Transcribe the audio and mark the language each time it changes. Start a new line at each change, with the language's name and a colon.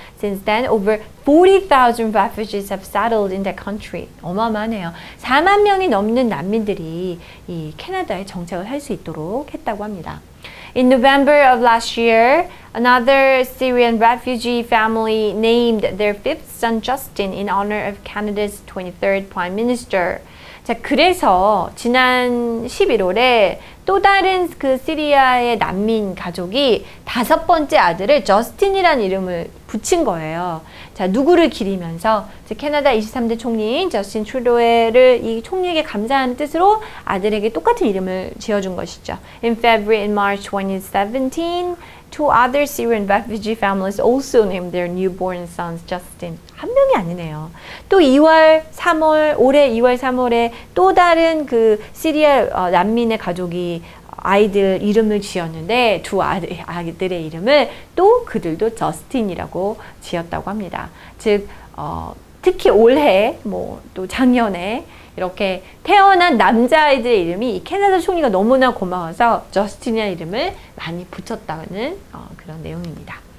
English: Since then, over 40,000 refugees have settled in that country.
Korean: 어마어마하네요. 4만 명이 넘는 난민들이 이 캐나다에 정착을 할 수 있도록 했다고 합니다.
English: In November of last year, another Syrian refugee family named their fifth son Justin in honor of Canada's 23rd Prime Minister.
Korean: 자, 그래서 지난 11월에 또 다른 그 시리아의 난민 가족이 다섯 번째 아들을 저스틴이라는 이름을 붙인 거예요. 자, 누구를 기리면서 즉 캐나다 23대 총리인 저스틴 트루도를 이 총리에게 감사하는 뜻으로 아들에게 똑같은 이름을 지어준 것이죠.
English: In February and March 2017, two other Syrian refugee families also named their newborn sons Justin.
Korean: 한 명이 아니네요. 또 올해 2월 3월에 또 다른 그 시리아 난민의 가족이 아이들 이름을 지었는데 두 아들의 이름을 또 그들도 저스틴이라고 지었다고 합니다. 즉 특히 올해 뭐 또 작년에 이렇게 태어난 남자아이들의 이름이 캐나다 총리가 너무나 고마워서 저스틴의 이름을 많이 붙였다는 그런 내용입니다.